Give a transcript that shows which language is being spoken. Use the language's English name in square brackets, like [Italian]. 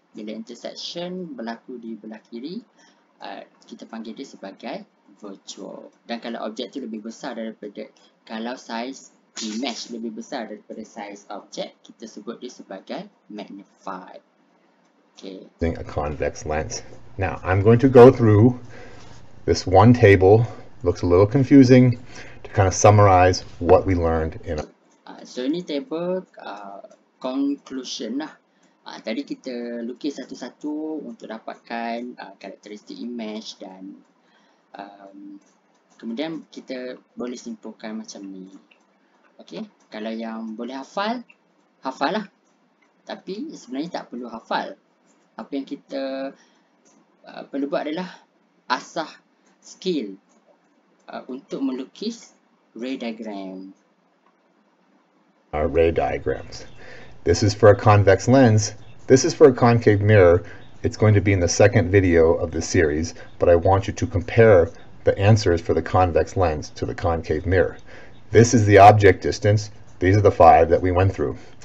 [Malay] Bila intersection berlaku di belah kiri, kita panggil dia sebagai virtual. Dan kalau objek tu lebih besar daripada, kalau saiz image lebih besar daripada saiz objek, kita sebut dia sebagai magnified. Okay. [English] Using a convex lens. Now, I'm going to go through this one table. Looks a little confusing to kind of summarize what we learned in. [Malay] So ini table conclusion lah. Tadi kita lukis satu-satu untuk dapatkan karakteristik image dan kemudian kita boleh simpulkan macam ni. Okey, kalau yang boleh hafal, hafal lah. Tapi sebenarnya tak perlu hafal. Apa yang kita perlu buat adalah asah skill untuk melukis ray diagram. [English] Ray diagrams. This is for a convex lens. This is for a concave mirror. It's going to be in the second video of the series, but I want you to compare the answers for the convex lens to the concave mirror. This is the object distance. These are the five that we went through.